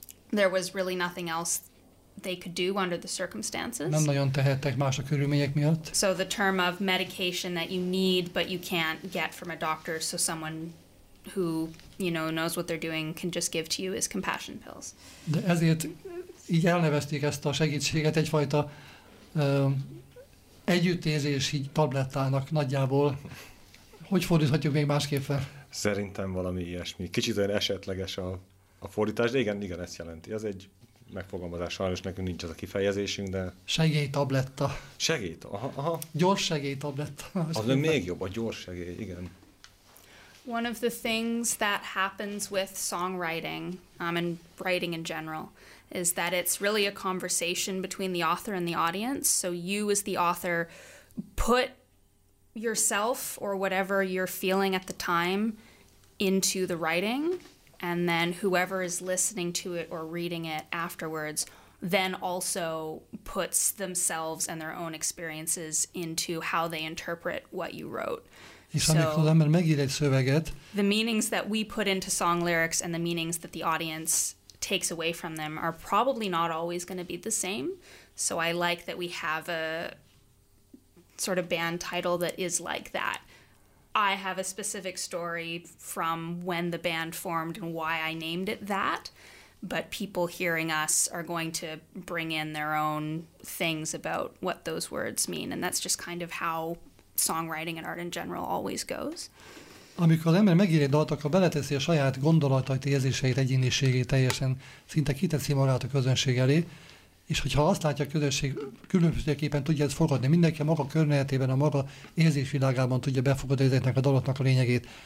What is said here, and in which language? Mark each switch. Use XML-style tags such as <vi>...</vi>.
<en>There was really nothing else they could do under the circumstances.</en> <hu>Nem nagyon tehettek más a körülmények miatt.</hu> <en>So the term of medication that you need but you can't get from a doctor, so someone who, you know, knows what they're doing can just give to you is compassion pills.</en> <hu>De ezért így elnevezték ezt a segítséget egyfajta együttérzési tablettának nagyjából. Hogy fordíthatjuk még másképpen? Szerintem valami ilyesmi. Kicsit olyan esetleges a fordítás, de igen, igen, ezt jelenti. Ez egy megfogalmazás, sajnos nekünk nincs az a kifejezésünk, de... Segélytabletta. Segélytabletta, aha. Gyors segélytabletta. Az még meg. Jobb, a gyors segély, igen.</hu> <en>One of the things that happens with songwriting, and writing in general, is that it's really a conversation between the author and the audience. So you as the author put yourself or whatever you're feeling at the time into the writing, and then whoever is listening to it or reading it afterwards then also puts themselves and their own experiences into how they interpret what you wrote. So the meanings that we put into song lyrics and the meanings that the audience takes away from them are probably not always going to be the same. So I like that we have a sort of band title that is like that. I have a specific story from when the band formed and why I named it that, but people hearing us are going to bring in their own things about what those words mean, and that's just kind of how songwriting and art in general always goes.</en> <hu>Amikor az ember megír egy dalt, akkor beleteszi a saját gondolatait, érzéseit, egyéniségét, teljesen szinte kiteszi magát a közönség elé, és hogyha azt látja a közönség, különbözőképpen tudja ezt fogadni, mindenki a maga környezetében, a maga érzésvilágában tudja befogadni ezeknek a dalatnak a lényegét.</hu>